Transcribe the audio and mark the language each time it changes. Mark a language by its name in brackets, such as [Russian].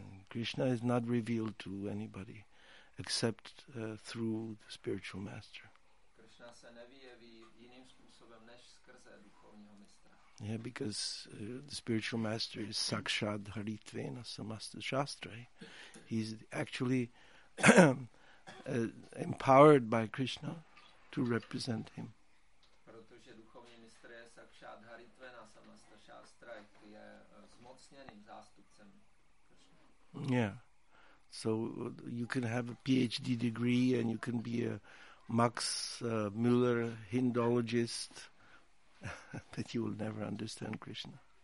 [English] Krishna is not revealed to anybody except through the spiritual master. [Czech] Krishna se nevyjeví jiným způsobem než skrze duchovního mistra. [English] Yeah, because the spiritual master is Sakshad Haritvena Samasta Shastra. He's actually empowered by Krishna to represent him. [Czech] Protože duchovní mistr je Sakshad Haritvena Samasta Shastra, je zmocněným zástupcem Krishna. [English] Yeah, so you can have a PhD degree and you can be a Max Müller Hindologist, that you will never understand Krishna.